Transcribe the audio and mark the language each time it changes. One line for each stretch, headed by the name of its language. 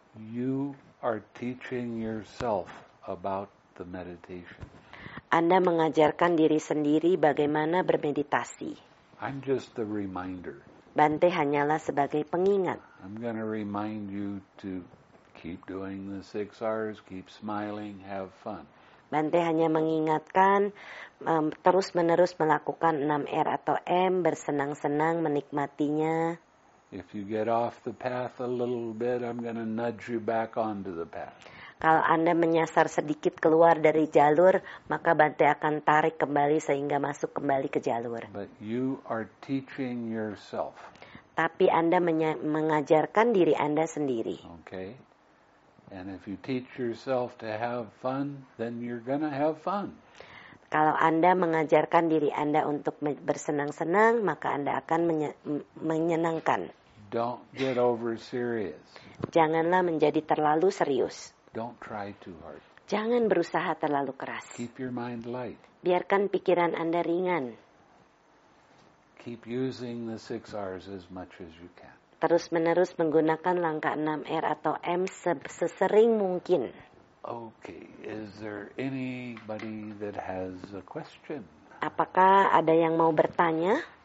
English: You are teaching yourself about the meditation.
Indonesian: Anda mengajarkan diri sendiri bagaimana bermeditasi.
English: I'm just the reminder.
Indonesian: Bante hanyalah sebagai pengingat.
English: I'm going to remind you to keep doing the 6 hours, keep smiling, have fun.
Indonesian: Bante hanya mengingatkan terus-menerus melakukan 6 R atau M, bersenang-senang, menikmatinya.
English: If you get off the path a little bit, I'm going to nudge you back onto the path.
Indonesian: Kalau Anda menyasar sedikit keluar dari jalur, maka Bante akan tarik kembali sehingga masuk kembali ke jalur.
English: But you are teaching yourself.
Indonesian: Tapi Anda mengajarkan diri Anda sendiri.
English: Okay. And if you teach yourself to have fun, then you're going to have fun.
Indonesian: Kalau Anda mengajarkan diri Anda untuk bersenang-senang, maka Anda akan menyenangkan.
English: Don't get over serious.
Indonesian: Janganlah menjadi terlalu serius.
English: Don't try too hard.
Indonesian: Jangan berusaha terlalu keras.
English: Keep your mind light.
Indonesian: Biarkan pikiran Anda ringan.
English: Keep using the 6 hours as much as you can.
Indonesian: Terus menerus menggunakan langkah 6 R atau M sesering mungkin.
English: Okay, is there anybody that has a question?
Indonesian: Apakah ada yang mau bertanya?